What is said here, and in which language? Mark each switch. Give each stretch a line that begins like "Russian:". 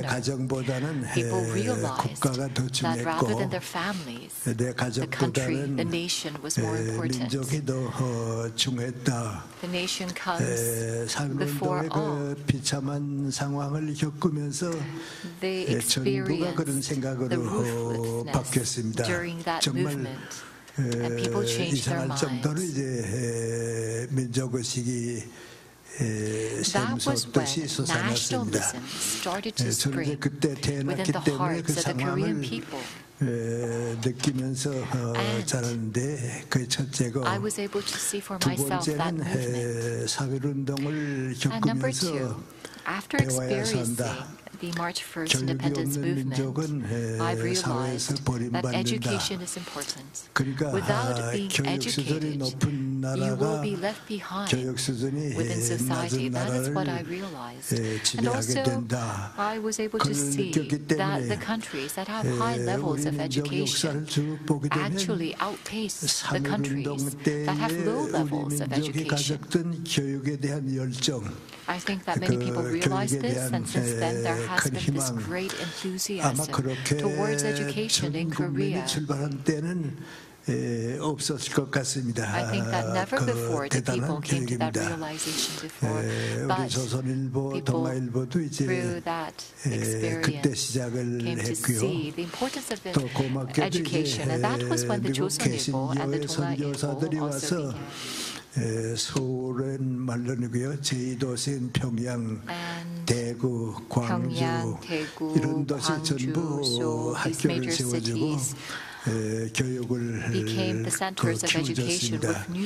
Korean: 내 가정보다는 국가가 더 중요했고,
English: that rather than their families, the country, the nation was more important.
Korean: 더 중요했다.
English: The nation comes before all.
Korean: 그 비참한 상황을 겪으면서 전부가 그런 생각으로 바뀌었습니다.
English: During that movement, people changed their minds.
Korean: 이제 민족 의식이
English: That was when nationalism started to spring within the hearts of the Korean people.
Korean: 느끼면서 자랐는데 그게 첫째고
English: I was able to see for myself
Korean: 두 번째는 사회운동을 겪으면서
English: After experiencing the March 1st independence movement, I realized that education is important.
Korean: 그러니까
English: Without being educated,
Korean: 높은 나라가
English: you will be left behind within society. That is what I realized. And also,
Korean: 된다.
English: I was able to see that the countries that have high levels of education actually outpace the countries that have low levels of education.
Korean: 교육에 대한 열정
English: I think that many people realize this, and since then there has been this great enthusiasm towards education in Korea. I think that never before did people came to that realization before, but people through that experience came to see the importance of education, and that was when the Joseon Ilbo and the Dongha Ilbo also began.
Korean: 서울은 말론이고요. 제2도시인 평양, 대구, 광주 이런 도시 전부 학교를 세워주고 교육을 키워줬습니다.